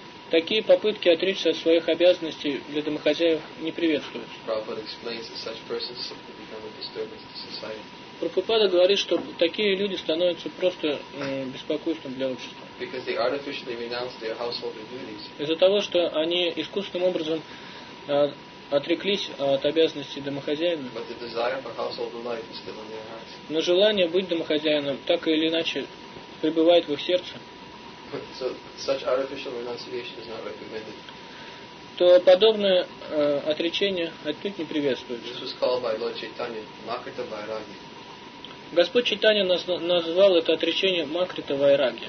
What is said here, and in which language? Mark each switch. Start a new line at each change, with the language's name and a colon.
Russian: Такие попытки отречься от своих обязанностей для домохозяев не приветствуются.
English: Prabhupada explains that such persons become a disturbance to society.
Russian: Прабхупада говорит, что такие люди становятся просто беспокойством для общества.
English: Because they artificially renounce their household duties.
Russian: Из-за того, что они искусственным образом отреклись от обязанностей домохозяина.
English: But the desire for household life is still in their hearts.
Russian: Но желание быть домохозяином так или иначе пребывает в их сердце.
English: So, such artificial renunciation is not recommended.
Russian: То подобное отречение отнюдь не приветствуется.
English: This was called by Lord Chaitanya Makrita Vairagya.
Russian: Господь Чайтанья назвал это отречение Макрита Вайраги.